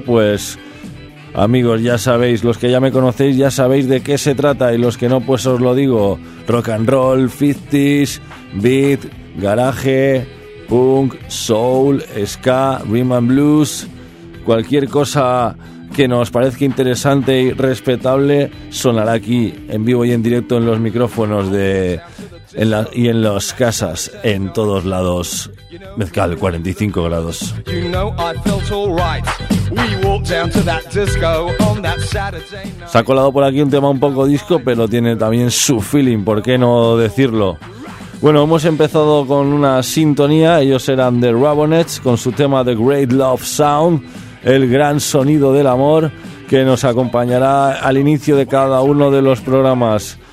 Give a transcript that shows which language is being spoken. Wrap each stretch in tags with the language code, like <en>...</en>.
<es>Pues, amigos, ya sabéis, los que ya me conocéis ya sabéis de qué se trata, y los que no, pues os lo digo: rock and roll, 50s, beat, garaje, punk, soul, ska, rhythm and blues, cualquier cosa que nos parezca interesante y respetable sonará aquí en vivo y en directo en los micrófonos de y en las casas, en todos lados. Mezcal 45 grados.</es> <en>You know I felt all right. We walked down to that disco on that Saturday night.</en> <es>Se ha colado por aquí un tema un poco disco, pero tiene también su feeling, ¿por qué no decirlo? Bueno, hemos empezado con una sintonía. Ellos eran The Ramones con su tema The Great Love Sound, el gran sonido del amor, que nos acompañará al inicio de cada uno de los programas.</es>